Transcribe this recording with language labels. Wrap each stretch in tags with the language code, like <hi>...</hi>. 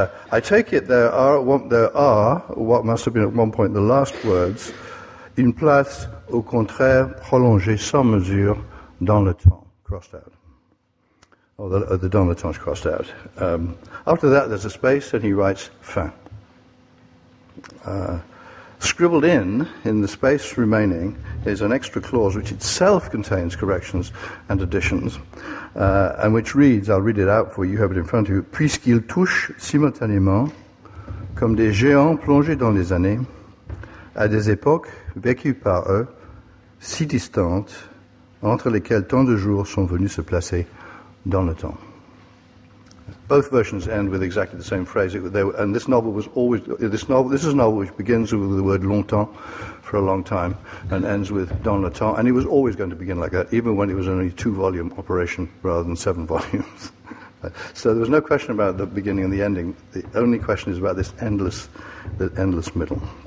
<en>I take it there are what must have been at one point the last words,</en> <fr>une place au contraire prolongée sans mesure dans le temps,</fr> <en>crossed out. The</en> <fr>dans le temps</fr> <en>crossed out. After that, there's a space, and he writes fin. Scribbled in the space remaining, is an extra clause which itself contains corrections and additions, and which reads, I'll read it out for you, you have it in front of you,</en> <fr>puisqu'il touche simultanément, comme des géants plongés dans les années, à des époques vécues par eux, si distantes, entre lesquelles tant de jours sont venus se placer dans le temps.</fr> <en>Both versions end with exactly the same phrase. This is a novel which begins with the word longtemps, for a long time, and ends with</en> <fr>dans le temps.</fr> <en>And it was always going to begin like that, even when it was only a two-volume operation rather than seven volumes. So there was no question about the beginning and the ending. The only question is about this endless middle.</en>